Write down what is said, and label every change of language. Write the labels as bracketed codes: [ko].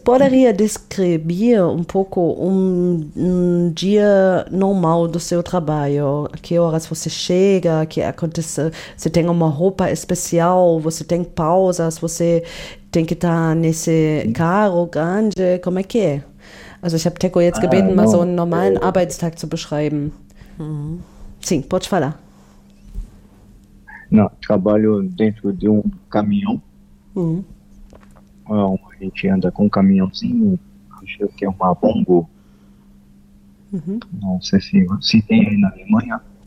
[pt] poderia descrever um pouco um dia normal do seu trabalho? Que horas você chega? Que acontece? Você tem uma roupa especial? Você tem pausas? Você tem que estar nesse carro grande? Como é que é? [de] Also, ich habe Teko jetzt Ah, gebeten, mal so [pt] não. [de] einen normalen Arbeitstag zu beschreiben. [pt] Sim, pode falar. Não, trabalho dentro de um caminhão. A gente anda com um caminhãozinho, acho que é uma Bongo. Não sei se tem aí na Alemanha.